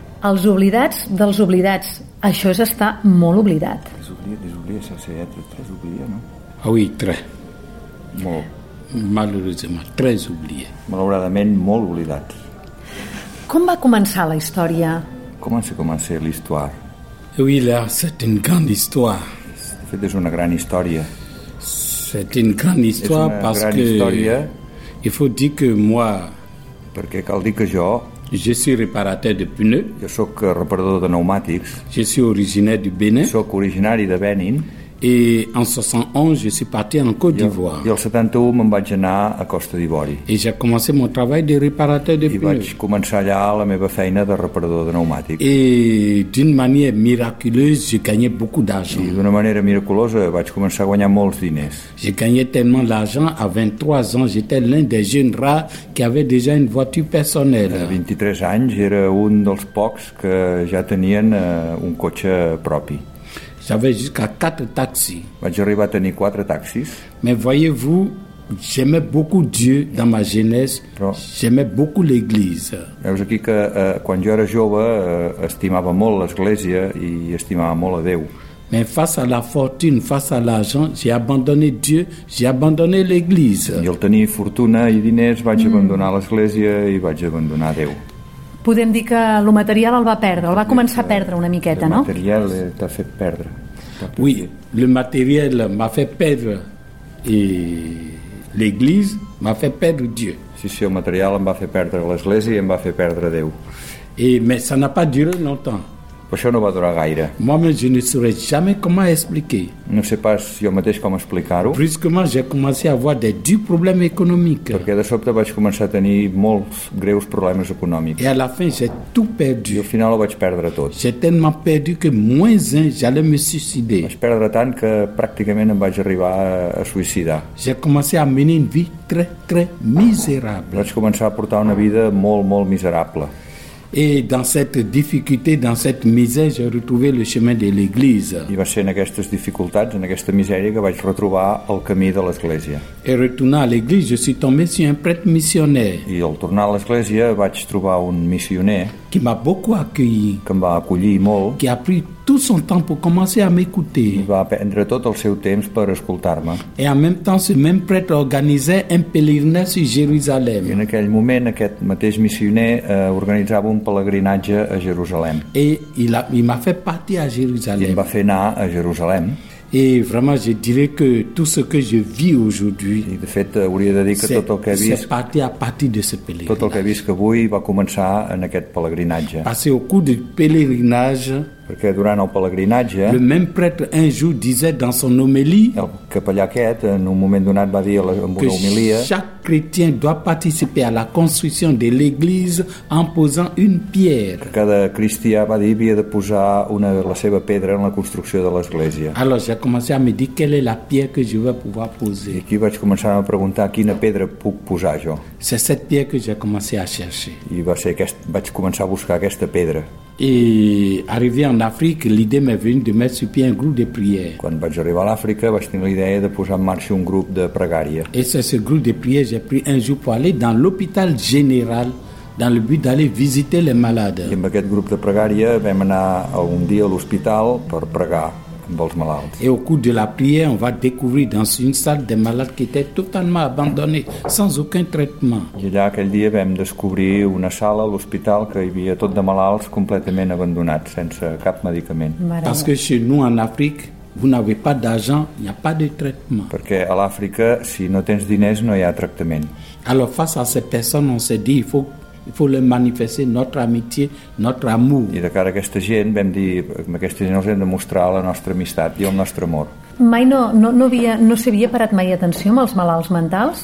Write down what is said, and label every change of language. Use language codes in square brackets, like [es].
[ca] Els oblidats dels oblidats. Això és estar molt oblidat. Desoblida, això seria tres oblida, no? [fr] Ah, oui, tres. [ca] Molt. [fr] Malheureusement, tres oblida. [ca] Malauradament, molt oblidat. Com va començar la història? [fr] Comença l'histoire. Oui, là, c'est une grande histoire. [ca] De fet, és una gran història. [fr] C'est une grande histoire parce [ca] gran [fr] que... [ca] Història. [fr] Il faut dire que moi... [ca] Perquè cal dir que jo... [fr] Je suis réparateur de pneus. [ca] Jo sóc reparador de pneumàtics. [fr] Je suis originaire du Bénin. [ca] Sóc originari de Benin. [fr] Et en 71, je suis parti en Côte d'Ivoire. [ca] I el 71 me'n vaig anar a Costa d'Ivori. [fr] Et j'ai commencé mon travail de réparateur de pneus. [ca] I vaig començar allà la meva feina de reparador de pneumàtics. [fr] Et d'une manière miraculeuse, j'ai gagné beaucoup d'argent. [ca] I d'una manera miraculosa vaig començar a guanyar molts diners. [fr] J'ai gagné tellement d'argent à 23 ans. J'étais l'un des jeunes rares qui avait déjà une voiture personnelle. [ca] A 23 anys era un dels pocs que ja tenien un cotxe propi. [fr] J'avais jusqu'à 4 taxis. [ca] Vaig arribar a tenir 4 taxis. [fr] Mais voyez-vous, j'aimais beaucoup Dieu dans ma jeunesse. [ca] Però... [fr] J'aimais beaucoup l'église. [ca] Veus aquí que quan jo era jove estimava molt l'església i estimava molt a Déu. [fr] Mais face à la fortune, face à l'argent, j'ai abandonné Dieu, j'ai abandonné l'église. [ca] I al tenir fortuna i diners vaig abandonar l'església i vaig abandonar Déu. Podem dir que el material el va perdre, el va començar a perdre una miqueta, no? El material t'ha fet perdre. [fr] Oui, le [ca] material m'ha fet perdre i l'Église m'ha fet perdre Dieu. Sí, sí, el material em va fer perdre l'Església i em va fer perdre Déu. [fr] Et, mais ça n'a pas duré longtemps. [ca] Però això no va durar gaire. [fr] Moi, je ne saurais jamais comment expliquer. [ca] No sé pas jo mateix com explicar-ho. [fr] Brusquement, j'ai commencé à avoir des durs problèmes économiques. [ca] Perquè de sobte vaig començar a tenir molts greus problemes econòmics. [fr] Et à la fin, j'ai tout perdu. [ca] I al final ho vaig perdre tot. [fr] J'ai tellement perdu que moins un, j'allais me suicider. [ca] Vaig perdre tant que pràcticament em vaig arribar a suicidar. [fr] J'ai commencé à mener une vie très, très misérable. [ca] Vaig començar a portar una vida molt, molt miserable. [fr] Et dans cette difficulté, dans cette misère, j'ai retrouvé le chemin de l'église. [ca] I va ser en aquestes dificultats, en aquesta misèria, que vaig retrobar el camí de l'església. [fr] Et retournant à l'église, je suis tombé sur un prêtre missionnaire. [ca] I al tornar a l'església vaig trobar un missioner [fr] qui m'a beaucoup accueilli, [ca] que em va acollir molt, [fr] qui a pris tout son temps pour commencer à m'écouter. [ca] I va prendre tot el seu temps per escoltar-me. [fr] Et en même temps, ce même prêtre organisait un pèlerinage à Jérusalem. [ca] I en aquell moment, aquest mateix missioner organitzava un pelegrinatge a Jerusalem. [fr] Et il m'a fait partir à Jerusalem. [ca] I em va fer anar a Jerusalem. [fr] Et vraiment, je dirais que tout ce que je vis aujourd'hui, [ca] de fait, hauria de dir que tot el que he vist, [fr] c'est parti à partir de ce pèlerinage. [ca] Tot el que he vist avui va començar en aquest pèlerinatge. [fr] Passé au cours du pèlerinage, [ca] perquè durant el pèlerinatge, [fr] le même prêtre un jour disait dans son homélie, [ca] el capellà aquest, en un moment donat, va dir en una homilia, [fr] que chaque chrétien doit participer à la construction de l'église en posant une pierre. [ca] Que cada cristià, va dir, havia de posar una, la seva pedra en la construcció de l'església. [fr] Alors, j'ai commencé à me dire quelle est la pierre que je vais pouvoir poser. [ca] I aquí vaig començar a preguntar quina pedra puc posar jo. [fr] C'est cette pierre que j'ai commencé à chercher. [ca] I va ser aquest, vaig començar a buscar aquesta pedra. [fr] Et arrivé en Afrique, l'idée m'est venue de mettre sur pied un groupe de prière. [ca] Quan vaig arribar a l'Àfrica, vaig tenir l'idea de posar en marxa un grup de pregària. [fr] Et c'est ce groupe de prière j'ai pris un jour pour aller dans l'hôpital général dans le but d'aller visiter les malades. [ca] I amb aquest grup de pregària vam anar un dia a l'hospital per pregar. [fr] Et au cours de la prière, on va découvrir dans une salle des malades qui étaient totalement abandonnés, sans aucun traitement. [ca] I allà, aquell dia, vam descobrir una sala a l'hospital que hi havia tot de malalts completament abandonats, sense cap medicament. [fr] Parce que chez nous, en Afrique, vous n'avez pas d'argent, il n'y a pas de traitement. [ca] Perquè a l'Àfrica, si no tens diners, no hi ha tractament. [fr] Alors, face à ces personnes, on s'est dit, il faut les manifester notre amitié, notre amour. [ca] I de cara a aquesta gent, vam dir, amb aquesta gent els hem de mostrar la nostra amistat i el nostre amor. Mai no s'havia parat mai atenció amb els malalts mentals?